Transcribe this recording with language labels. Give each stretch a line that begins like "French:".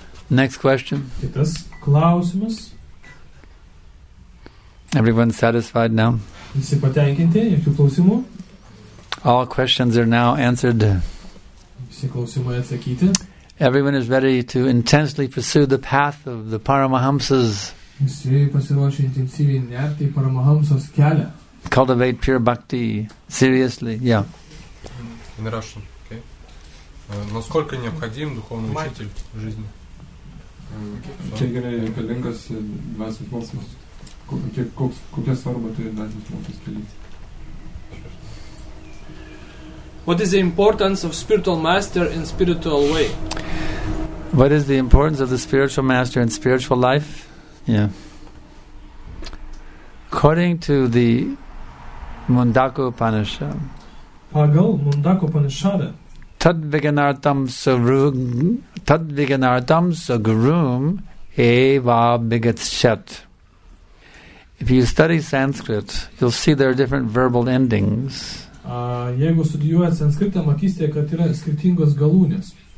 English: Next question.
Lithuanian: Kitas klausimas.
English: Everyone satisfied now?
Lithuanian: Visi patenkinti, jokių klausimų?
English: All questions are now answered.
Lithuanian: Visi klausimai atsakyti.
English: Everyone is ready to intensely pursue the path of the Paramahamsas.
Lithuanian: Visi pasiruošę intensyviai nerti į Paramahamsas kelią.
English: Cultivate pure bhakti seriously, yeah. In Russian, okay.
Russian: Насколько необходим духовный учитель в жизни?
Lithuanian: Kiek yra reikalingas dvasios mokslas? Kokia svarba turi dvasios mokslas kelyti?
English: What is the importance of spiritual master in spiritual way? What is the importance of the spiritual master in spiritual life? Yeah. According to the Mundaka Upanishad.
Lithuanian: Pagal Mundaka Upanishad.
Sanskrit: Tad-viganārtam sagurum eva-bhigat-shat.
English: If you study Sanskrit, you'll see there are different verbal endings.
Lithuanian: Jeigu studijuojat Sanskritą, matysite, kad yra skirtingos galūnės.